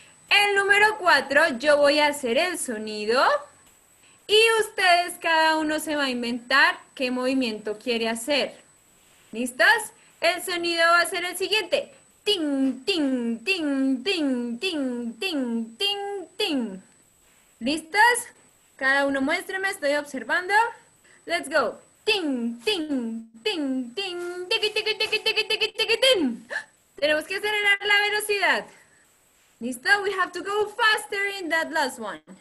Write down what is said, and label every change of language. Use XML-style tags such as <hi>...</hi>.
<es>El número 4, yo voy a hacer el sonido. Y ustedes, cada uno se va a inventar qué movimiento quiere hacer. ¿Listos? El sonido va a ser el siguiente. Ting, ting, ting, ting, ting, ting, ting, ting. ¿Listos? Cada uno muéstrame, estoy observando.</es> <en>Let's go. Ting, ting, ting, ting, tiki, tiki, tiki, tiki, tiki, tiki, ting.</en> <es>Tenemos que acelerar la velocidad. ¿Listo?</es> <en>We have to go faster in that last one.</en>